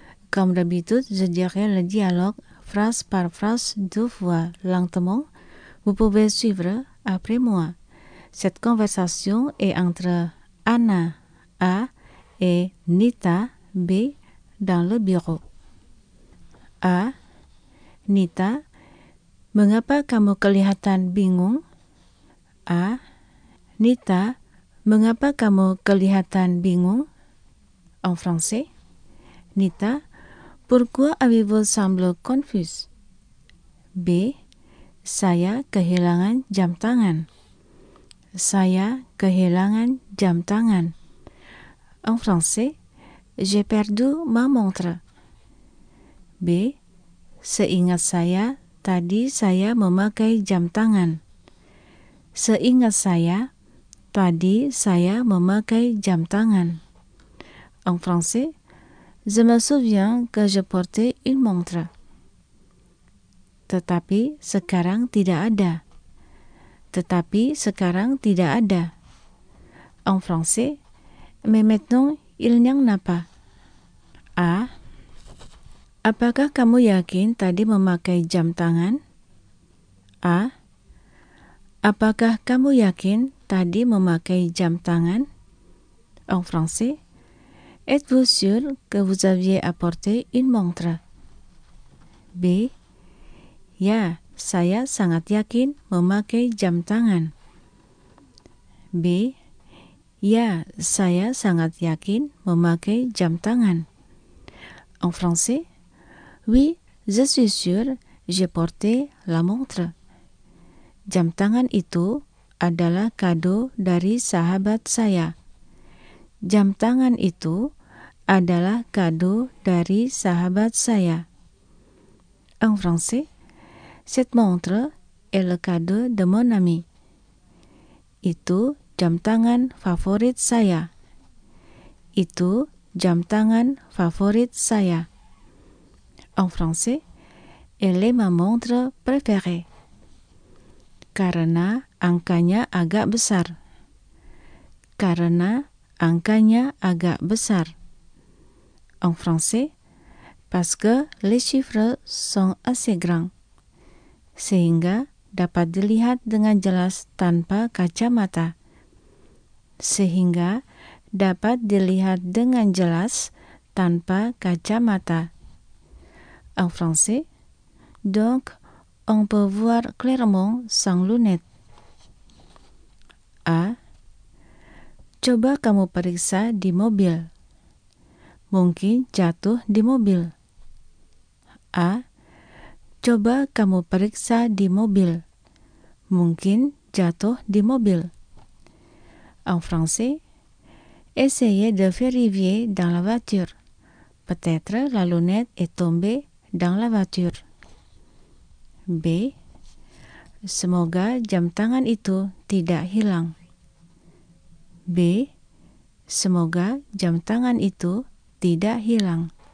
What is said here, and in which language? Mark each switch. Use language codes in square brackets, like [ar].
[fr] Comme d'habitude, je dirai le dialogue phrase par phrase deux fois lentement. Vous pouvez suivre après moi. Cette conversation est entre Anna A et Nita B dans le bureau. A. [id] Nita, mengapa kamu kelihatan bingung? A. Nita, mengapa kamu kelihatan bingung? [fr] En français, Nita, pourquoi avez-vous semblé confus? B. [id] Saya kehilangan jam tangan. Saya kehilangan jam tangan. [fr] En français, j'ai perdu ma montre. [id] B. Seingat saya, tadi saya memakai jam tangan. Seingat saya, tadi saya memakai jam tangan. [fr] En français, je me souviens que je portais une montre. [id] Tetapi sekarang tidak ada. Tetapi sekarang tidak ada. [fr] En français, mais maintenant il n'y en a pas. A. [id] Apakah kamu yakin tadi memakai jam tangan? A. Apakah kamu yakin tadi memakai jam tangan? [fr] En français, êtes-vous sûr que vous aviez apporté une montre? [id] B. Ya, saya sangat yakin memakai jam tangan. B. Ya, saya sangat yakin memakai jam tangan. [fr] En français, oui, je suis sûr, j'ai porté la montre. [id] Jam tangan itu adalah kado dari sahabat saya. Jam tangan itu adalah kado dari sahabat saya. [fr] En français, cette montre est le cadeau de mon ami. [id] Itu jam tangan favorit saya. Itu jam tangan favorit saya. [fr] En français, elle est ma montre préférée. [id] Karena angkanya agak besar. Karena angkanya agak besar. [fr] En français, parce que les chiffres sont assez grands. [id] Sehingga dapat dilihat dengan jelas tanpa kacamata. Sehingga dapat dilihat dengan jelas tanpa kacamata. [fr] En français, donc on peut voir clairement sans lunettes. [id] A. Coba kamu periksa di mobil. Mungkin jatuh di mobil. A. Coba kamu periksa di mobil. Mungkin jatuh di mobil. [fr] En français, essayez de vérifier dans la voiture. Peut-être la lunette est tombée dans la voiture. B. [id] Semoga jam tangan itu tidak hilang. B. Semoga jam tangan itu tidak hilang.